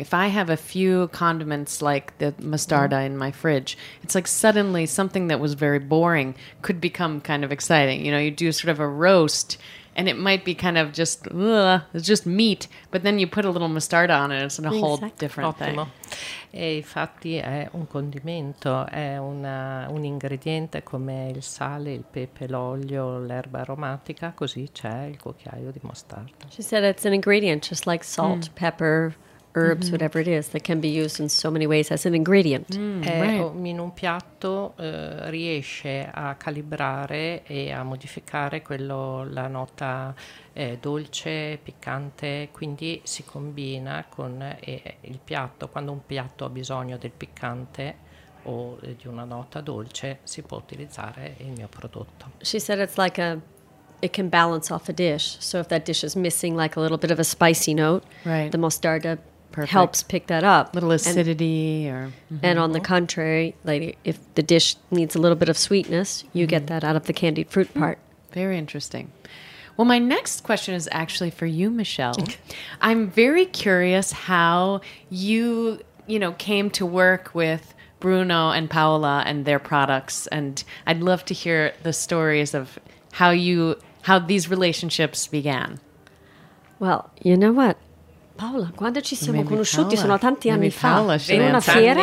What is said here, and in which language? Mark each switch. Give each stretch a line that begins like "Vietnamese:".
English: If I have a few condiments like the mostarda in my fridge, it's like suddenly something that was very boring could become kind of exciting. You know, you do sort of a roast and it might be kind of just, it's just meat, but then you put a little mostarda on it, it's a whole different thing.
Italian: E infatti è un condimento, è un ingrediente come il sale, il pepe, l'olio, l'erba aromatica, così c'è il cucchiaio di mostarda.
English: She said it's an ingredient, just like salt, pepper, herbs, whatever it is, that can be used in so many ways as an ingredient. Right.
Italian: In un piatto riesce a calibrare e a modificare la nota dolce, piccante, quindi si combina con il piatto. Quando un piatto ha bisogno del piccante o di una nota dolce, si può utilizzare il mio prodotto.
English: She said it's like it can balance off a dish. So if that dish is missing like a little bit of a spicy note, right, the mostarda helps pick that up. A little acidity And on the contrary, like if the dish needs a little bit of sweetness, you get that out of the candied fruit part. Very interesting. Well, my next question is actually for you, Michelle. I'm very curious how you came to work with Bruno and Paola and their products. And I'd love to hear the stories of how these relationships began. Well, you know what?
Italian: Paola, quando ci siamo
English: Maybe
Italian: conosciuti Paola. Sono tanti anni Paola, fa, in una fiera?